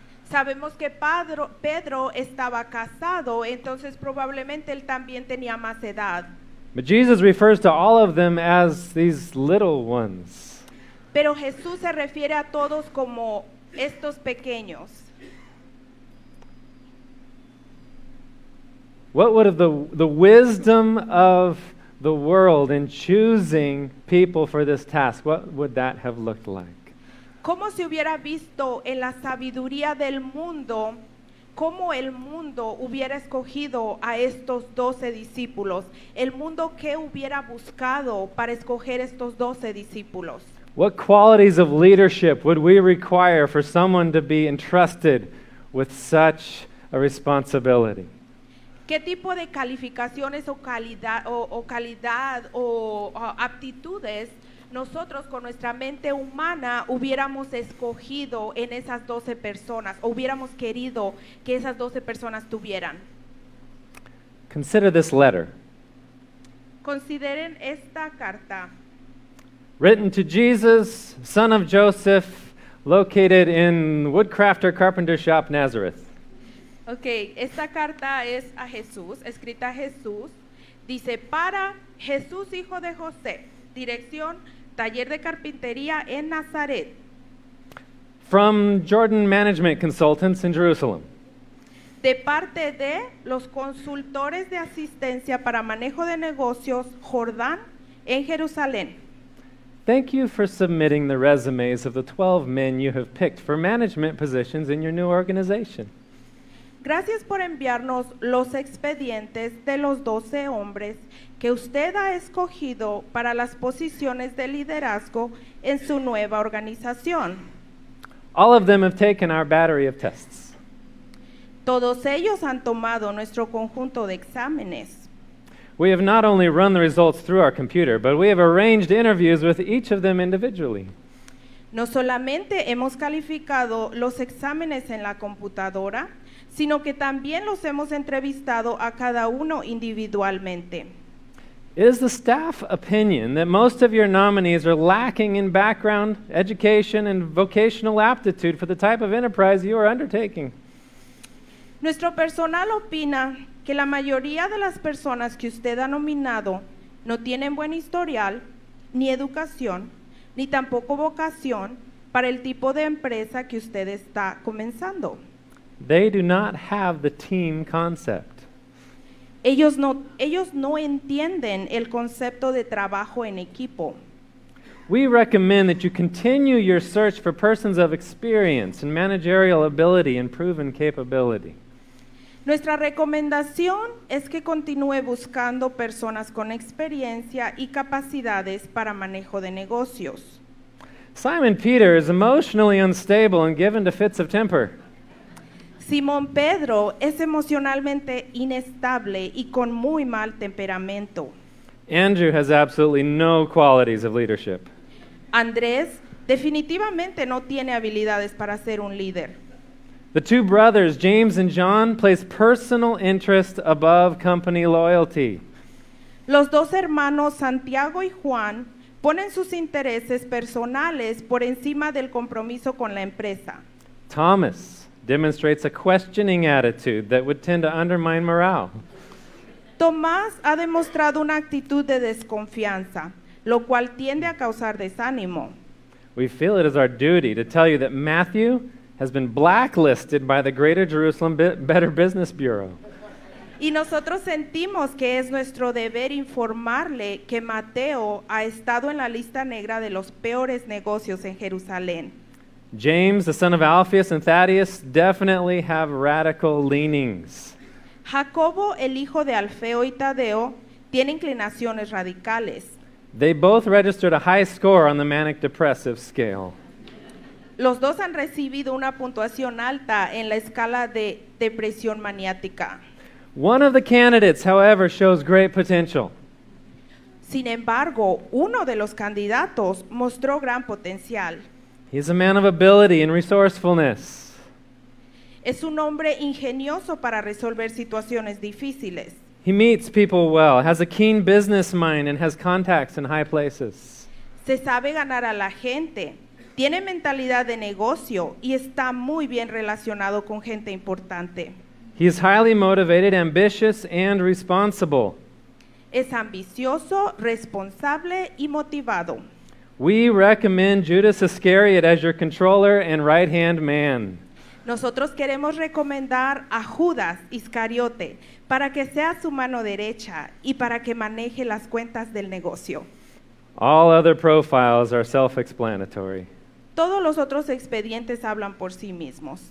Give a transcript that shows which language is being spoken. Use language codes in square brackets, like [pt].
[es] Sabemos que Pedro estaba casado, entonces probablemente él también tenía más edad. [en] But Jesus refers to all of them as these little ones. [es] Pero Jesús se refiere a todos como estos pequeños. [en] What would have the wisdom of the world in choosing people for this task? What would that have looked like? [es] ¿Cómo se hubiera visto en la sabiduría del mundo cómo el mundo hubiera escogido a estos 12 discípulos? ¿El mundo qué hubiera buscado para escoger estos 12 discípulos? [en] What qualities of leadership would we require for someone to be entrusted with such a responsibility? [es] ¿Qué tipo de calificaciones o calidad o aptitudes nosotros con nuestra mente humana hubiéramos escogido en esas 12 personas o hubiéramos querido que esas 12 personas tuvieran? [en] Consider this letter. [es] Consideren esta carta. [en] Written to Jesus, son of Joseph, located in Woodcrafter Carpenter Shop, Nazareth. [es] Okay, esta carta es a Jesús, escrita a Jesús. Dice, para Jesús, hijo de José, dirección, taller de carpintería en Nazaret. [en] From Jordan Management Consultants in Jerusalem. [es] De parte de los consultores de asistencia para manejo de negocios, Jordán, en Jerusalén. [en] Thank you for submitting the resumes of the 12 men you have picked for management positions in your new organization. [es] Gracias por enviarnos los expedientes de los 12 hombres que usted ha escogido para las posiciones de liderazgo en su nueva organización. [en] All of them have taken our battery of tests. [es] Todos ellos han tomado nuestro conjunto de exámenes. [en] We have not only run the results through our computer, but we have arranged interviews with each of them individually. [es] No solamente hemos calificado los exámenes en la computadora, sino que también los hemos entrevistado a cada uno individualmente. [en] It is the staff opinion that most of your nominees are lacking in background, education, and vocational aptitude for the type of enterprise you are undertaking. [es] Nuestro personal opina que la mayoría de las personas que usted ha nominado no tienen buen historial, ni educación, ni tampoco vocación para el tipo de empresa que usted está comenzando. [en] They do not have the team concept. [es] Ellos no entienden el concepto de trabajo en equipo. [en] We recommend that you continue your search for persons of experience and managerial ability and proven capability. [es] Nuestra recomendación es que continúe buscando personas con experiencia y capacidades para manejo de negocios. [en] Simon Peter is emotionally unstable and given to fits of temper. [es] Simón Pedro es emocionalmente inestable y con muy mal temperamento. [en] Andrew has absolutely no qualities of leadership. [es] Andrés definitivamente no tiene habilidades para ser un líder. [en] The two brothers, James and John, place personal interest above company loyalty. [es] Los dos hermanos, Santiago y Juan, ponen sus intereses personales por encima del compromiso con la empresa. [en] Thomas demonstrates a questioning attitude that would tend to undermine morale. [es] Tomás ha demostrado una actitud de desconfianza, lo cual tiende a causar desánimo. [en] We feel it is our duty to tell you that Matthew has been blacklisted by the Greater Jerusalem Better Business Bureau. [es] Y nosotros sentimos que es nuestro deber informarle que Mateo ha estado en la lista negra de los peores negocios en Jerusalén. [en] James, the son of Alphaeus and Thaddeus, definitely have radical leanings. [es] Jacobo, el hijo de Alfeo y Tadeo, tiene inclinaciones radicales. [en] They both registered a high score on the manic depressive scale. [es] Los dos han recibido una puntuación alta en la escala de depresión maniática. [en] One of the candidates, however, shows great potential. [es] Sin embargo, uno de los candidatos mostró gran potencial. [en] He's a man of ability and resourcefulness. [es] Es un hombre ingenioso para resolver situaciones difíciles. [en] He meets people well, has a keen business mind, and has contacts in high places. [es] Se sabe ganar a la gente, tiene mentalidad de negocio, y está muy bien relacionado con gente importante. [en] He is highly motivated, ambitious, and responsible. [es] Es ambicioso, responsable, y motivado. [en] We recommend Judas Iscariot as your controller and right-hand man. [es] Nosotros queremos recomendar a Judas Iscariote para que sea su mano derecha y para que maneje las cuentas del negocio. [en] All other profiles are self-explanatory. [es] Todos los otros expedientes hablan por sí mismos.